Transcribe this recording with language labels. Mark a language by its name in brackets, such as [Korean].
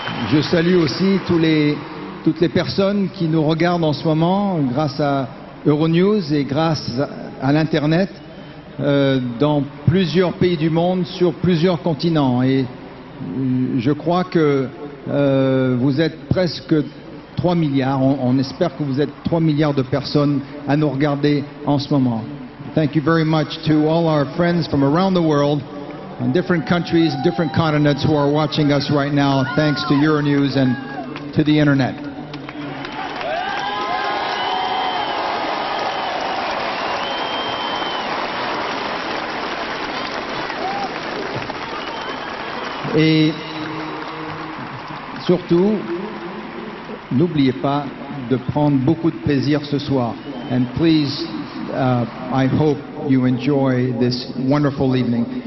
[French] Je salue aussi toutes les personnes qui nous regardent en ce moment grâce à Euronews et grâce à l'Internet dans plusieurs pays du monde, sur plusieurs continents. Et je crois que vous êtes presque 3 milliards. On espère que vous êtes 3 milliards de personnes à nous regarder en ce moment. [English] Thank you very much to all our friends from around the world. In different countries, different continents who are watching us right now, thanks to Euronews and to the internet. [French] Et surtout, n'oubliez pas de prendre beaucoup de plaisir ce soir. [English] And please, I hope you enjoy this wonderful evening.